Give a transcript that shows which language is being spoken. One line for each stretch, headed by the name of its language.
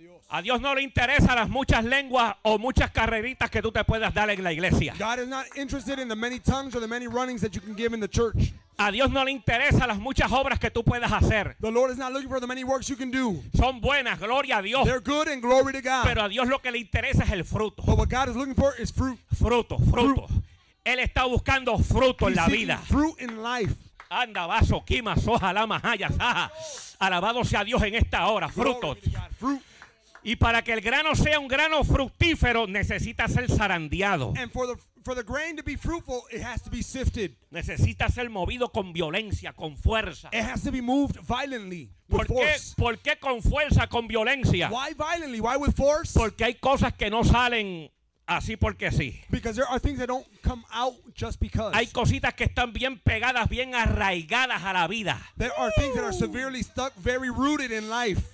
Spanish: A Dios no le interesa las muchas lenguas o muchas carreritas que tú te puedas dar en la iglesia.
English: God is not interested in the many tongues or the many runnings that you can give in the church.
Spanish: A Dios no le interesa las muchas obras que tú puedas hacer.
English: The Lord is not looking for the many works you can do.
Spanish: Son buenas, gloria a Dios.
English: They're good and glory to God.
Spanish: Pero a Dios lo que le interesa es el fruto.
English: But what God is looking for is fruit.
Spanish: Fruto, fruto. Él está buscando fruto en la vida.
English: He's seeking fruit in life. Anda, vaso, quima, soja, lama, haya, saja.
Spanish: Alabado sea Dios en esta hora. Fruto. Y para que el grano sea un grano fructífero, necesita ser zarandeado.
English: And for the grain to be fruitful, it has to be sifted.
Spanish: Necesita ser movido con violencia, con fuerza.
English: It has to be moved violently.
Spanish: ¿Por qué con fuerza, con violencia?
English: Why violently? Why with force?
Spanish: Porque hay cosas que no salen. Así porque sí.
English: Because there are things that don't come out just because.
Spanish: Hay cositas que están bien pegadas, bien arraigadas a la vida.
English: There are things that are severely stuck, very rooted in life.